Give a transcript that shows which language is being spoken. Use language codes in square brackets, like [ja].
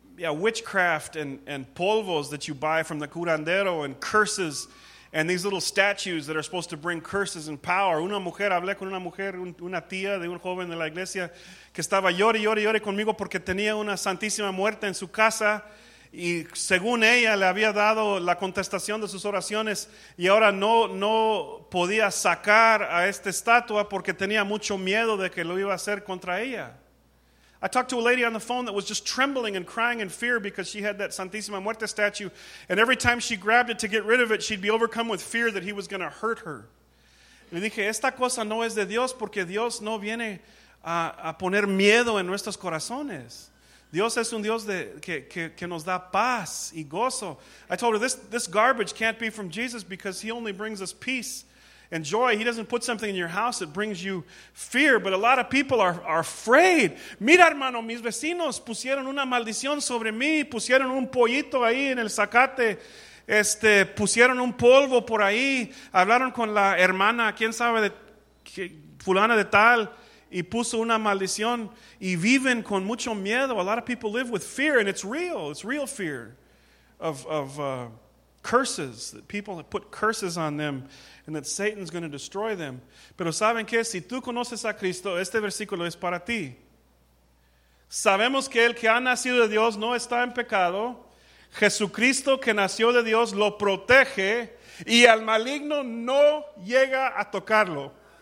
[en] witchcraft and polvos that you buy from the curandero and curses and these little statues that are supposed to bring curses and power. [es] Una mujer, hablé con una mujer, una tía de un joven de la iglesia que estaba llore conmigo porque tenía una santísima muerte en su casa y según ella le había dado la contestación de sus oraciones y ahora no podía sacar a esta estatua porque tenía mucho miedo de que lo iba a hacer contra ella. [en] I talked to a lady on the phone that was just trembling and crying in fear because she had that Santísima Muerte statue, and every time she grabbed it to get rid of it, she'd be overcome with fear that he was going to hurt her. [es] Le dije, esta cosa no es de Dios porque Dios no viene a poner miedo en nuestros corazones. Dios es un Dios que nos da paz y gozo. [en] I told her, this garbage can't be from Jesus because he only brings us peace. And joy, he doesn't put something in your house that brings you fear, but a lot of people are afraid. [es] Mira, hermano, mis vecinos pusieron una maldición sobre mí, pusieron un pollito ahí en el zacate, pusieron un polvo por ahí, hablaron con la hermana, quién sabe, fulana de tal, y puso una maldición, y viven con mucho miedo. [en] A lot of people live with fear, and it's real fear of curses, that people have put curses on them and that Satan's going to destroy them. [es] Pero saben que si tú conoces a Cristo, este versículo es para ti. Sabemos que el que ha nacido de Dios no está en pecado. Jesucristo que nació de Dios lo protege y al maligno no llega a tocarlo.